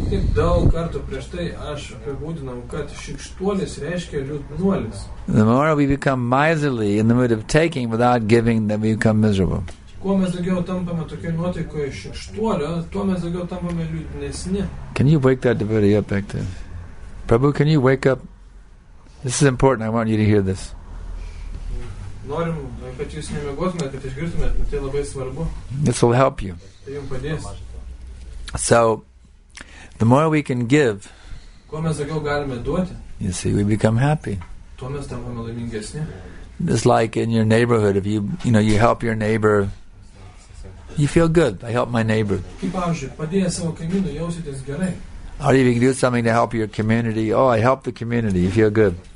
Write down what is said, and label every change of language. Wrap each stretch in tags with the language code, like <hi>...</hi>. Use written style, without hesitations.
<lt>Taip daug kartų prieš tai aš apibūdinau, kad šikštuolis reiškia liūdnuolis.</lt> <en>The more we become miserly in the mood of taking without giving, then we become miserable.</en> <lt>Kuo mes daugiau tampame tokioje nuotaikoje šikštuolio, tuo mes daugiau tampame liūdnesni.</lt> <en>Can you wake that devotee up back there? Prabhu, can you wake up? This is important. I want you to hear this.</en> <lt>Norim, kad jūs nemiegotumėt, kad išgirtumėt, tai labai svarbu.</lt> <en>This will help you.</en> <lt>Tai jums padės.</lt> <en>So, the more we can give,</en> <lt>kuo mes daugiau galime duoti,</lt> <en>you see, we become happy.</en> <lt>Tuo mes tampame laimingesni.</lt> <en>It's like in your neighborhood, if you help your neighbor, you feel good. I help my neighbor.</en> <lt>Kaip pavyzdžiui, padėjęs savo kaimynui, jausitės gerai.</lt> <en>Or if you can do something to help your community, oh, I help the community, you feel good.</en>